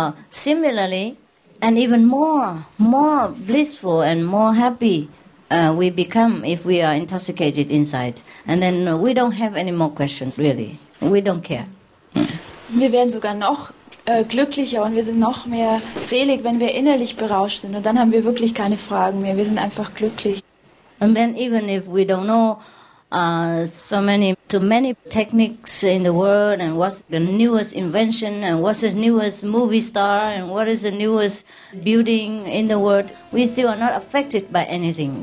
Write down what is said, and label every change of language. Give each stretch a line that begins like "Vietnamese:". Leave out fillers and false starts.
English: Similarly, and even more blissful and more happy we become if we are intoxicated inside. And then we don't have any more questions, really. We don't care.
German: Wir werden sogar noch glücklicher und wir sind noch mehr selig, wenn wir innerlich berauscht sind. Und dann haben wir wirklich keine Fragen mehr. Wir sind einfach glücklich.
English: And then even if we don't know so many, too many techniques in the world and what's the newest invention and what's the newest movie star and what is the newest building in the world, we still are not affected by anything.